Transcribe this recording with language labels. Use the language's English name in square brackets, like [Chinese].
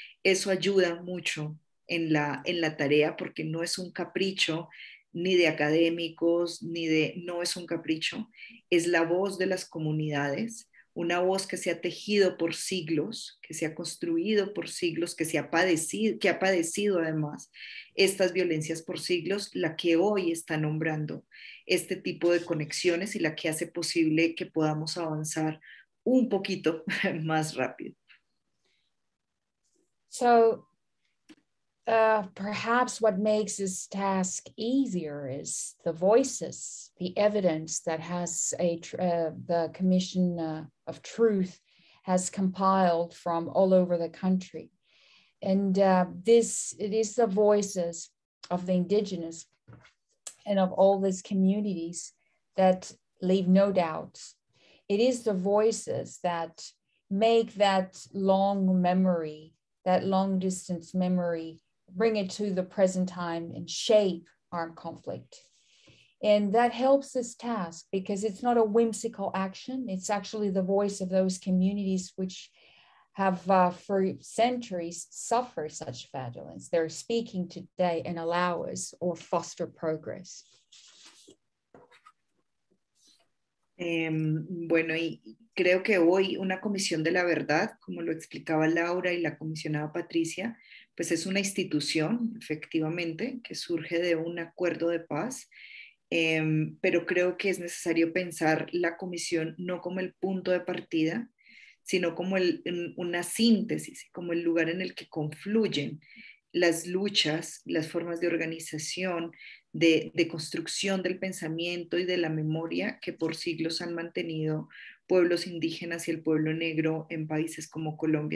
[Spanish] Eso ayuda mucho en la tarea, porque no es un capricho ni de académicos, no es un capricho, es la voz de las comunidades, una voz que se ha tejido por siglos, que se ha construido por siglos, que ha padecido además estas violencias por siglos, la que hoy está nombrando este tipo de conexiones y la que hace posible que podamos avanzar un poquito más rápido. [English] So perhaps what makes this task easier is the voices, the evidence that has the Commission of Truth has compiled from all over the country. And it is the voices of the indigenous and of all these communities that leave no doubts. It is the voices that make that long memory, that long distance memory, bring it to the present time and shape armed conflict. And that helps this task because it's not a whimsical action. It's actually the voice of those communities which have for centuries suffered such violence. They're speaking today and allow us or foster progress. [Spanish] Bueno, y creo que hoy una comisión de la verdad, como lo explicaba Laura y la comisionada Patricia, pues es una institución, efectivamente, que surge de un acuerdo de paz, pero creo que es necesario pensar la comisión no como el punto de partida, sino como una síntesis, como el lugar en el que confluyen las luchas, las formas de organización, de construcción del pensamiento y de la memoria que por siglos han mantenido pueblos indígenas y el pueblo negro en países como Colombia.